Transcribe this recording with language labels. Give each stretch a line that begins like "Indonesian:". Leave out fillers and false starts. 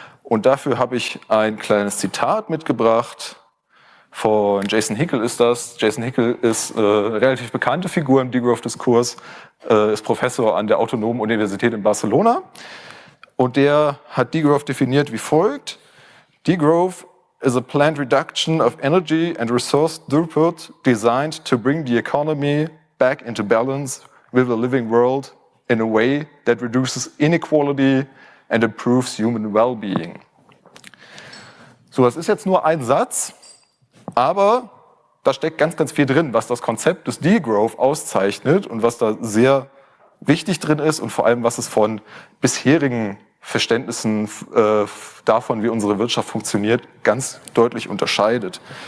German: Und dafür habe ich ein kleines Zitat mitgebracht. Von Jason Hickel ist das. Jason Hickel ist eine relativ bekannte Figur im Degrowth-Diskurs, ist Professor an der Autonomen Universität in Barcelona Und der hat Degrowth definiert wie folgt.
English: Degrowth is a planned reduction of energy and resource throughput designed to bring the economy back into balance with the living world in a way that reduces inequality and improves human well-being.
German: So, das ist jetzt nur ein Satz, aber da steckt ganz, ganz viel drin, was das Konzept des Degrowth auszeichnet und was da sehr wichtig drin ist und vor allem, was es von bisherigen Verständnissen davon, wie unsere Wirtschaft funktioniert, ganz deutlich unterscheidet.